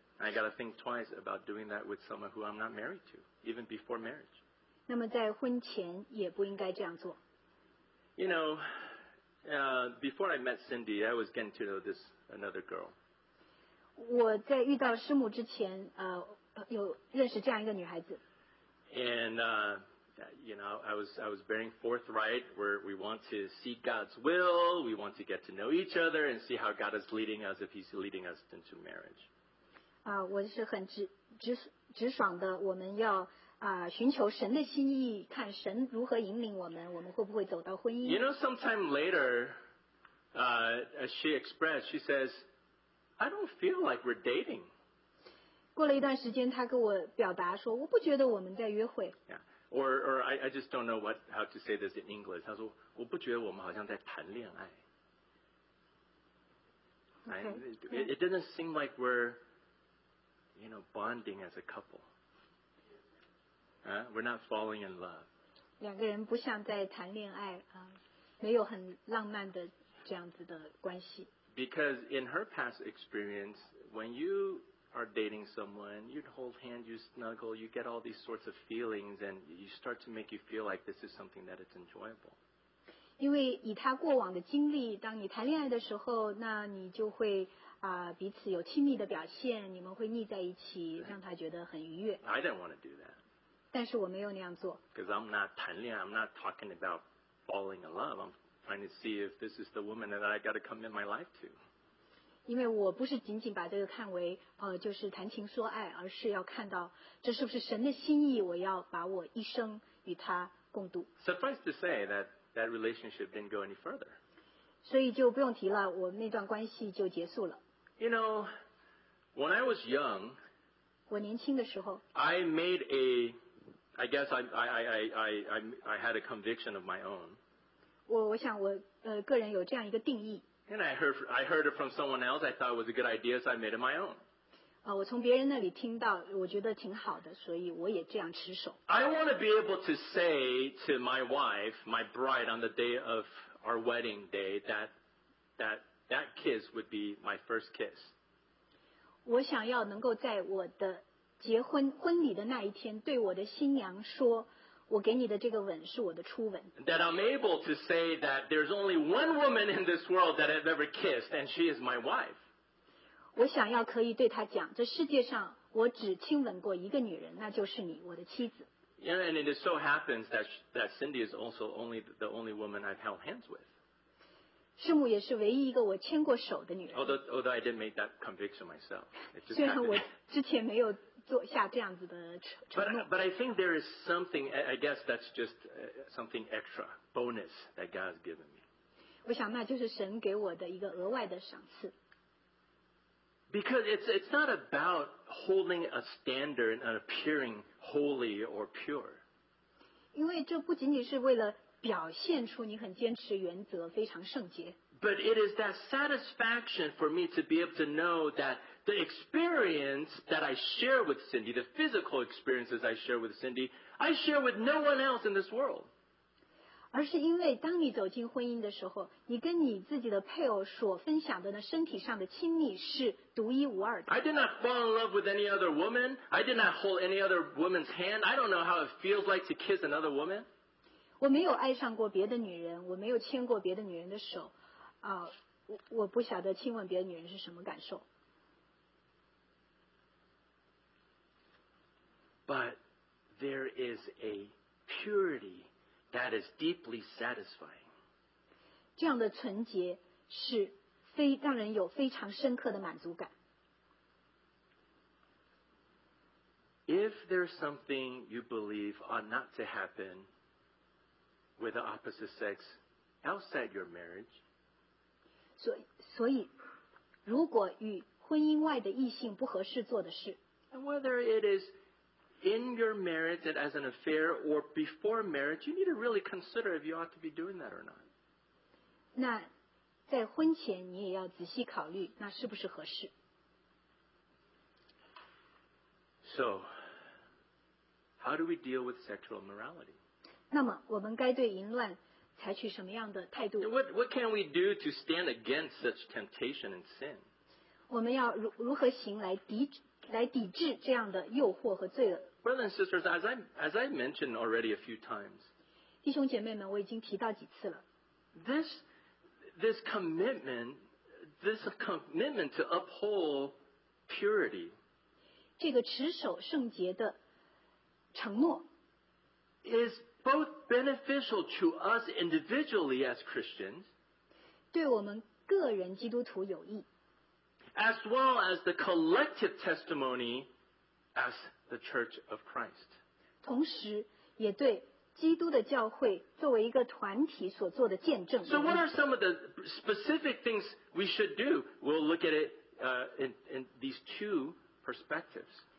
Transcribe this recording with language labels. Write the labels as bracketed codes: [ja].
[en] I gotta think twice about doing that with someone who I'm not married to, even before marriage. [zh] 那么在婚前也不应该这样做。 [en] You know, before I met Cindy, I was getting to know this another girl. [zh] 我在遇到师母之前，有认识这样一个女孩子。 [en] And you know, I was very forthright. Where we want to seek God's will, we want to get to know each other and see how God is leading us, if He's leading us into marriage. [zh] 我是很直爽的，我们要寻求神的心意，看神如何引领我们，我们会不会走到婚姻。 [en] You know, sometime later, she expressed, she says, I don't feel like we're dating. [zh] 过了一段时间，她跟我表达说，我不觉得我们在约会。 [en] Yeah, or I just don't know how to say this in English. [zh] 她说，我不觉得我们好像在谈恋爱。 [en] Okay. It doesn't seem like we're... You know, bonding as a couple. We're not falling in love. [zh] 两个人不像在谈恋爱啊，没有很浪漫的这样子的关系。 [en] Because in her past experience, when you are dating someone, you hold hands, you snuggle, you get all these sorts of feelings, and you start to make you feel like this is something that it's enjoyable. [zh] 因为以她过往的经历，当你谈恋爱的时候，那你就会。彼此有亲密的表现，你们会腻在一起，让他觉得很愉悦。 [en] I didn't want to do that. [zh] 但是我没有那样做。 [en] Because I'm not 谈恋爱 I'm not talking about falling in love. I'm trying to see if this is the woman that I got to come in my life to. [zh] 因为我不是仅仅把这个看为就是谈情说爱，而是要看到这是不是神的心意，我要把我一生与他共度。 [en] Suffice to say that that relationship didn't go any further. [zh] 所以就不用提了，我那段关系就结束了。 [en] You know, when I was young, [zh] 我年轻的时候， [en] I made a, I guess I had a conviction of my own. [zh] 我想我个人有这样一个定义。 [en] And I heard it from someone else. I thought it was a good idea, so I made it my own. [zh] 我从别人那里听到，我觉得挺好的，所以我也这样持守。 [en] I want to be able to say to my wife, my bride, on the day of our wedding day, that kiss would be my first kiss. [zh] 我想要能够在我的结婚婚礼的那一天，对我的新娘说，我给你的这个吻是我的初吻。 [en] That I'm able to say that there's only one woman in this world that I've ever kissed, and she is my wife. [zh] 我想要可以对她讲，这世界上我只亲吻过一个女人，那就是你，我的妻子。 [en] Yeah, and it so happens that Cindy is also only the only woman I've held hands with. [zh] 师母也是唯一一个我牵过手的女人。 [en] Although I didn't make that conviction myself. [zh] 虽然我之前没有做下这样子的承诺。 [en] But I think there is something, I guess that's just something extra, bonus that God has given me. [zh] 我想那就是神给我的一个额外的赏赐。 [en] Because it's not about holding a standard and appearing holy or pure. [zh] 因为这不仅仅是为了表现出你很坚持原则，非常圣洁。 [en] But it is that satisfaction for me to be able to know thatThe experience that I share with Cindy, the physical experiences I share with Cindy, I share with no one else in this world. [zh] 而是因为当你走进婚姻的时候，你跟你自己的配偶所分享的那身体上的亲密是独一无二的。 [en] I did not fall in love with any other woman. I did not hold any other woman's hand. I don't know how it feels like to kiss another woman. [zh] 我没有爱上过别的女人，我没有牵过别的女人的手，我不晓得亲吻别的女人是什么感受。 [en] But there is a purity that is deeply satisfying. [zh] 这样的纯洁是让人有非常深刻的满足感。 [en] If there's something you believe ought not to happen with the opposite sex outside your marriage, [zh] 所以如果与婚姻外的异性不合适做的事， [en] and whether it isIn your marriage and as an affair or before marriage, you need to really consider if you ought to be doing that or not. [zh] 那在婚前你也要仔细考虑那是不是合适。 [en] So, how do we deal with sexual immorality? [zh] 那么我们该对淫乱采取什么样的态度？ [en] What can we do to stand against such temptation and sin? [zh] 我们要如何行来抵制这样的诱惑和罪恶。 [en] Brothers and sisters, as I mentioned already a few times, [zh] 弟兄姐妹们，我已经提到几次了。 [en] This commitment to uphold purity, [zh] 这个持守圣洁的承诺， [en] is both beneficial to us individually as Christians, [zh] 对我们个人基督徒有益， [en] as well as the collective testimony as the Church of Christ. [zh] 同时也对基督的教会作为一个团体所做的见证。 [en] So what are some of the specific things we should do? We'll look at it in these two perspectives.